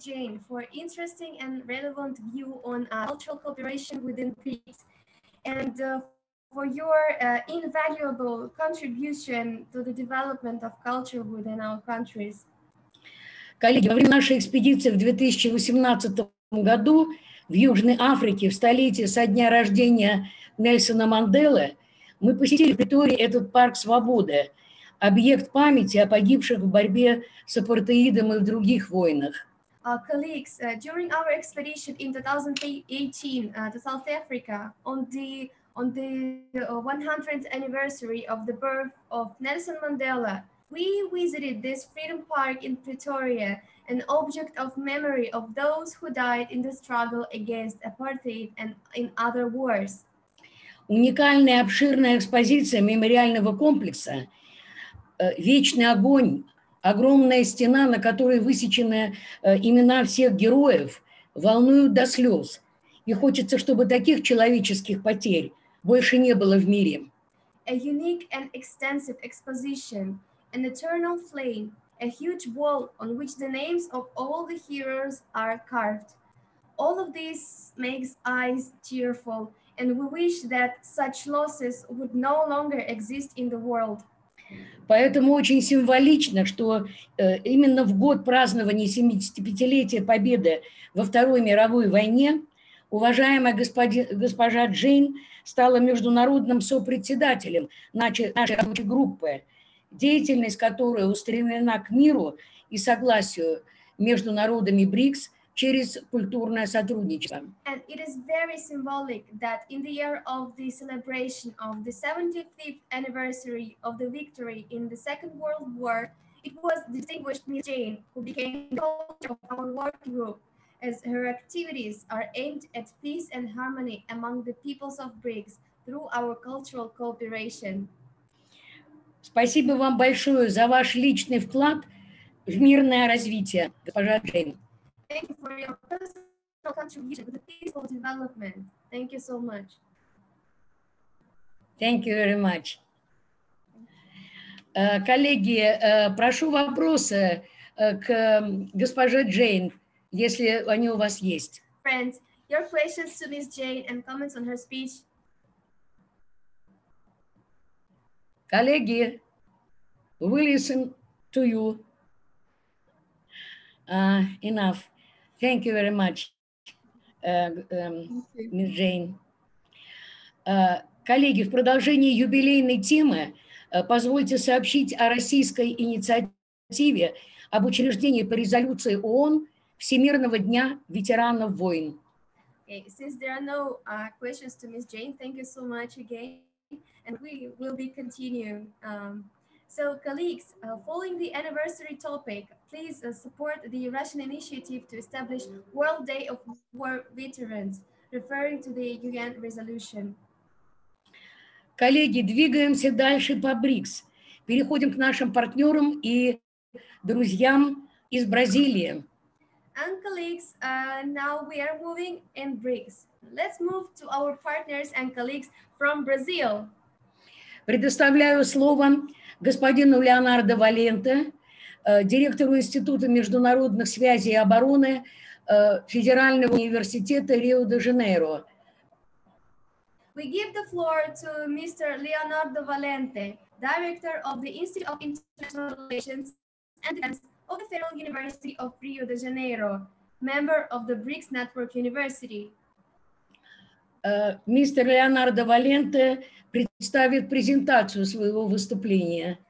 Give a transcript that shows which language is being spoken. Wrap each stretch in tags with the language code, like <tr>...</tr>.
<en>Jane, for interesting and relevant view on cultural cooperation within BRICS and for your invaluable contribution to the development of culture within our countries.</en> <ru>Коллеги, во время нашей экспедиции в 2018 году в Южной Африке, в столетии со дня рождения Нельсона Манделы, мы посетили в Притории этот парк свободы, объект памяти о погибших в борьбе с апартеидом и в других войнах.</ru> <en>Colleagues, during our expedition in 2018 to South Africa on the 100th anniversary of the birth of Nelson Mandela, we visited this freedom park in Pretoria, an object of memory of those who died in the struggle against apartheid and in other wars.</en> <ru>Уникальная обширная экспозиция мемориального комплекса «Вечный огонь», огромная стена, на которой высечены имена всех героев, волнуют до слез. И хочется, чтобы таких человеческих потерь больше не было в мире.</ru> <en>A unique and extensive exposition, an eternal flame, a huge wall on which the names of all the heroes are carved. All of this makes eyes tearful, and we wish that such losses would no longer exist in the world.</en> <ru>Поэтому очень символично, что именно в год празднования 75-летия победы во Второй мировой войне уважаемая госпожа Джейн стала международным сопредседателем нашей рабочей группы, деятельность которой устремлена к миру и согласию между народами БРИКС через культурное сотрудничество.</ru> <en>And it is very symbolic that in the year of the celebration of the 75th anniversary of the victory in the Second World War, it was distinguished Miss Jane, who became the coach of our work group, as her activities are aimed at peace and harmony among the peoples of BRICS through our cultural cooperation.</en> <ru>Спасибо вам большое за ваш личный вклад в мирное развитие, госпожа Джейн.</ru> <en>Thank you for your personal contribution to the peaceful development. Thank you so much. Thank you very much.</en> <ru>Коллеги, прошу вопросы к госпоже Джейн, если они у вас есть.</ru> <en>Friends, your questions to Miss Jane and comments on her speech.</en> <ru>Коллеги,</ru> <en>we listen to you. Enough. Thank you very much, Miss Jane.</en> <ru>Коллеги, в продолжении юбилейной темы позвольте сообщить о российской инициативе об учреждении по резолюции ООН Всемирного дня ветеранов войн.</ru> <en>Okay, since there are no questions to Miss Jane, thank you so much again, and we will be continuing. So, colleagues, following the anniversary topic, please support the Russian initiative to establish World Day of War Veterans, referring to the UN resolution.</en> <ru>Коллеги, двигаемся дальше по БРИКС. Переходим к нашим партнерам и друзьям из Бразилии.</ru> <en>And colleagues, now we are moving in BRICS. Let's move to our partners and colleagues from Brazil.</en> <ru>Предоставляю слово господину Леонардо Валенте, директору Института международных связей и обороны Федерального университета Рио-де-Жанейро.</ru> <en>We give the floor to Mr. Leonardo Valente, Director of the Institute of International Relations and Defense of the Federal University of Rio de Janeiro, member of the BRICS Network University.</en> <ru>Mr. Leonardo Valente представит презентацию своего выступления.</ru>